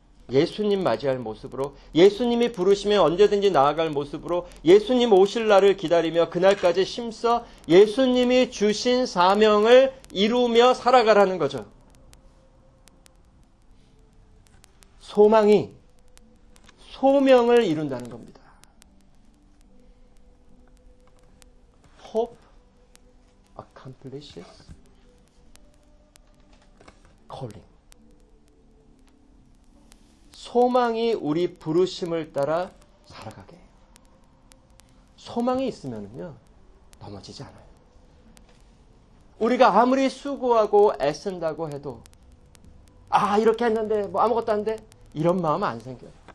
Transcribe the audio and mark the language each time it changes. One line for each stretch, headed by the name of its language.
Korean: 예수님 맞이할 모습으로, 예수님이 부르시면 언제든지 나아갈 모습으로, 예수님 오실 날을 기다리며 그날까지 심서 예수님이 주신 사명을 이루며 살아가라는 거죠. 소망이 소명을 이룬다는 겁니다.
English: Hope accomplishes calling.
Korean: 소망이 우리 부르심을 따라 살아가게 해요. 소망이 있으면은요, 넘어지지 않아요. 우리가 아무리 수고하고 애쓴다고 해도, 아, 이렇게 했는데, 뭐 아무것도 안 돼? 이런 마음 안 생겨요.